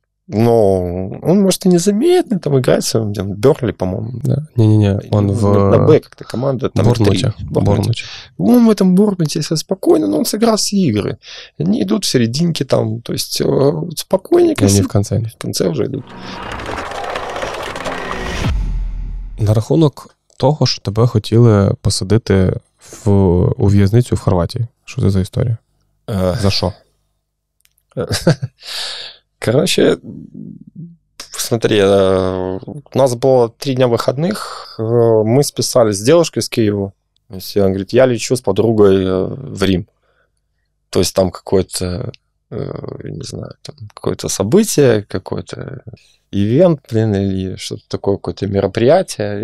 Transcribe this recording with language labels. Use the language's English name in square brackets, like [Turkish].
[Russian] Но он, может, и незаметно там играть, где он Бёрли, по-моему. Да. Не-не-не, он в... На Б как-то команда. Там Бурмуте. Он в этом Бурмуте, если спокойно, но он сыграл все игры. Они идут в серединке там, то есть спокойненько. Они в конце. В конце уже идут. [Ukrainian] На рахунок того, що тебе хотіли посадити у в'язницю в Хорватії. Що це за історія? За що? [Russian] Короче, смотри, у нас было 3 дня выходных, мы списались с девушкой из Киева, и он говорит, я лечу с подругой в Рим. То есть там какое-то, не знаю, там какое-то событие, какой-то ивент, блин, или что-то такое, какое-то мероприятие.